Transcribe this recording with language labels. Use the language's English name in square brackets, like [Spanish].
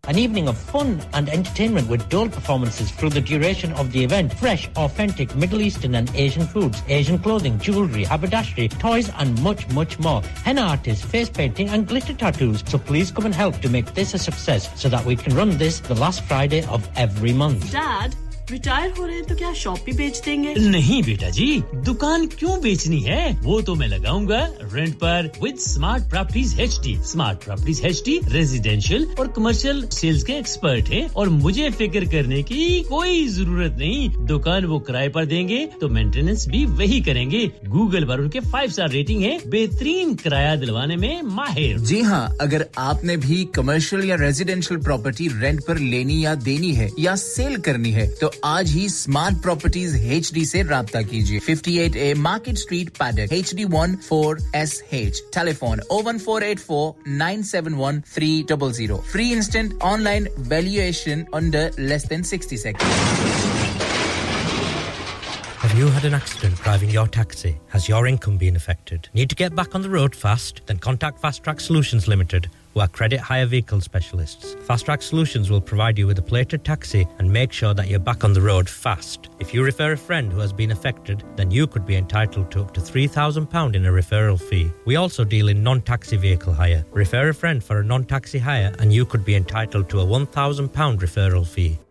[English] An evening of fun and entertainment with dual performances through the duration of the event. Fresh, authentic Middle Eastern and Asian foods, Asian clothing, jewellery, haberdashery, toys and much, much more. Henna artists, face painting and glitter tattoos. So please come and help to make this a success so that we can run this the last Friday of every month. Dad! [Hindi] Retire हो रहे हैं तो क्या shop भी बेच देंगे नहीं बेटा जी दुकान क्यों बेचनी है वो तो मैं लगाऊंगा रेंट पर with smart properties HD smart properties HD residential और कमर्शियल सेल्स के एक्सपर्ट हैं और मुझे फिक्र करने की कोई जरूरत नहीं दुकान वो किराए पर देंगे तो मेंटेनेंस भी वही करेंगे गूगल पर उनके 5 स्टार रेटिंग है बेहतरीन किराया दिलवाने में माहिर जी हां अगर आपने भी कमर्शियल या रेजिडेंशियल प्रॉपर्टी रेंट पर लेनी या देनी है या सेल करनी है तो आज ही स्मार्ट प्रॉपर्टीज एचडी से राबता कीजिए 58A market street paddock HD14SH telephone 01484971300 [English] Free instant online valuation under less than 60 second have you had an accident driving your taxi has your income been affected need to get back on the road fast then contact fast track solutions limited who are credit hire vehicle specialists. Fast Track Solutions will provide you with a plated taxi and make sure that you're back on the road fast. If you refer a friend who has been affected, then you could be entitled to up to £3,000 in a referral fee. We also deal in non-taxi vehicle hire. Refer a friend for a non-taxi hire and you could be entitled to a £1,000 referral fee.